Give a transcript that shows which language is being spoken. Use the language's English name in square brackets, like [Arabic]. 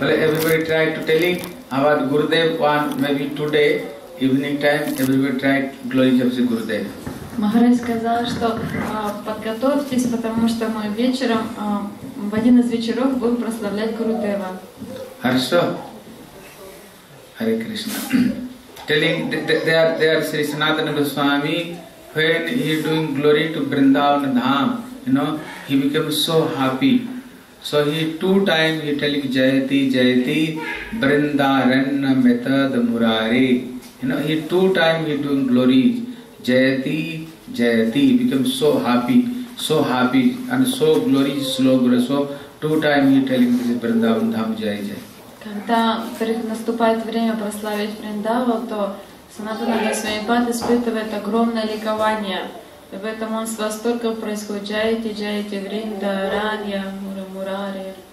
[English] Well, everybody try to tell it about Gurudev one, maybe today, evening time, everybody try to glorify Gurudev. [Russian] Maharaj сказал, что подготовьтесь, потому что мы вечером, в один из вечеров будем прославлять Гурудева. Хорошо. Hare Krishna. [English] Telling, they are Sri Sanatana Goswami, when he is doing glory to Vrindavan Dham, you know, he becomes so happy. So he two times he telling [Sanskrit] Jayati Jayati Vrindaranya Method Murari. [English] You know, he two times he doing glory. Jayati Jayati, he becomes so happy and so glory slogan. So two times he telling this Vrindavan Dham Jai Jai. [Russian] Когда наступает время прославить Вриндаван, то Санатана Госвамипад испытывает огромное ликование. И поэтому он с восторгом происходит [Sanskrit] джайте, джайте, вринда, ранья, мурамурари.